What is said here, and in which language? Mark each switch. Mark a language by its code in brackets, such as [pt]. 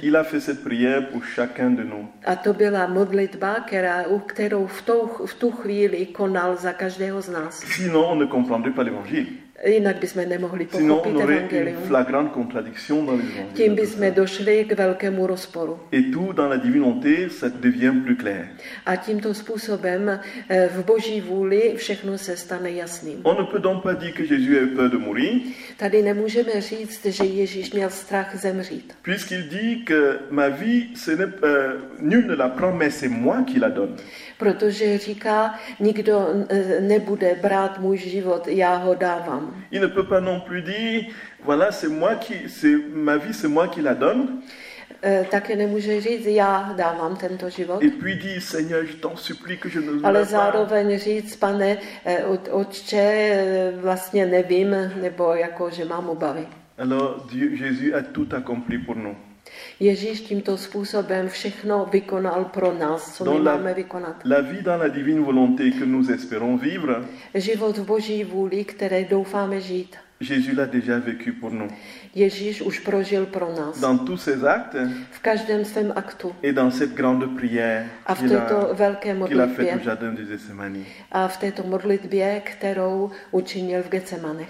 [fr] Il a fait cette prière pour chacun de nous. [cs] A to byla modlitba, kterou v tu chvíli konal za každého z nás. [fr] Sinon, on ne comprendrait pas l'évangile. [cs] Jinak bychom nemohli pochopit [fr] Sinon, on aurait evangelium. Une flagrante contradiction dans l'évangile. [cs] Tím bychom došli k velkému rozporu. [fr] Et tout dans la divinité, ça devient plus clair. [cs] A tímto způsobem v Boží vůli všechno se stane jasným. [fr] On ne peut donc pas dire que Jésus avait peur de mourir. [cs] Tady nemůžeme říct, že Ježíš měl strach zemřít. [fr] Puisqu'il dit que ma vie, ce n'est nul ne la prend, mais c'est moi qui la donne. [cs] Protože říká, nikdo nebude brát můj život, já ho dávám. [fr] Il ne peut pas non plus dire, voilà, c'est moi qui, c'est ma vie, c'est moi qui la donne. [cs] Také nemůže říct, já dávám tento život. [fr] Et puis dit, Seigneur, je t'en supplie que je ne. [cs] Ale zároveň říct, pane, otče, vlastně nevím, nebo jako, že mám obavy. [fr] Alors, Dieu, Jésus a tout accompli pour nous. [cs] Ježíš tímto způsobem všechno vykonal pro nás, co my máme vykonat. [fr] La vie dans la divine volonté que nous espérons vivre. [cs] Život v Boží vůli, které doufáme žít. [fr] Jésus l'a déjà vécu pour nous. [cs] Ježíš už prožil pro nás. [fr] Dans tous ses actes. [cs] V každém svém aktu. [fr] Et dans cette grande prière. [cs] A v této velké modlitbě. [fr] Qu'il a fait au jardin de Gethsemane. [cs] A v této modlitbě, kterou učinil v Getsemane.